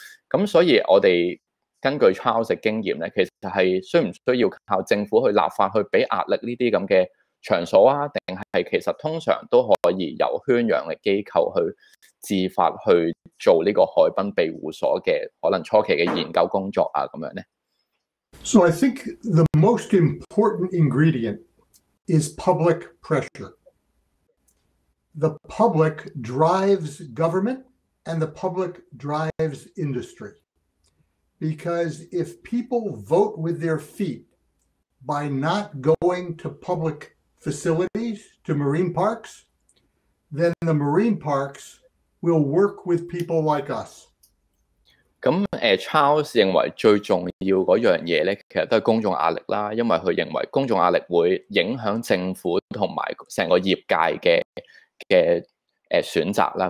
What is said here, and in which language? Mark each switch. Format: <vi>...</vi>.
<yue>咁所以我哋根據 Charles 的經驗，其實是需不需要靠政府去立法去給壓力這些這場所，還是其實通常都可以由圈養的機構去自發去做這個海濱庇護所的可能初期的研究工作樣呢？</yue> <en>So I think the most important ingredient is public pressure. The public drives government and the public drives industry. Because if people vote with their feet by not going to public facilities, to marine parks, then the marine parks will work with people like us.</en> <yue>咁Charles 認為最重要嗰樣嘢咧，其實都係公眾壓力啦，因為佢認為公眾壓力會影響政府同埋成個業界嘅選擇啦。</yue>